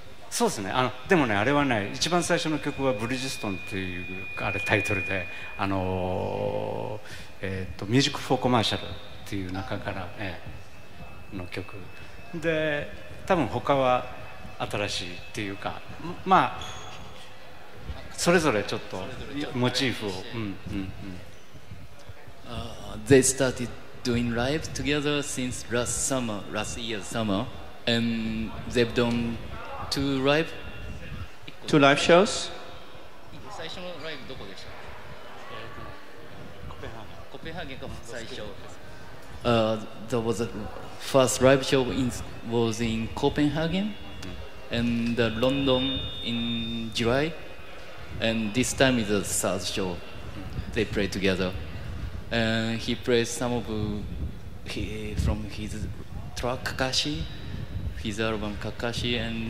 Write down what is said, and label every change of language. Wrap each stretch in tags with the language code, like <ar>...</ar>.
<ja>そうですね、でもね、あれはね、一番最初の曲はブリヂストンっていうあれタイトルで、ミュージックフォーコマーシャルっていう中から、の曲で、多分他は新しいっていうか、まあそれぞれちょっとモチーフを、</ja> <en>They started doing live together since last year summer, and they've done two live shows.</en> <ja>最初のライブどこでした？コペンハーゲンが最初。</ja> <en>The first live show was in Copenhagen, and London in July, and this time is the third show they play together. And he plays some of from his track Kakashi, his album Kakashi, and</en>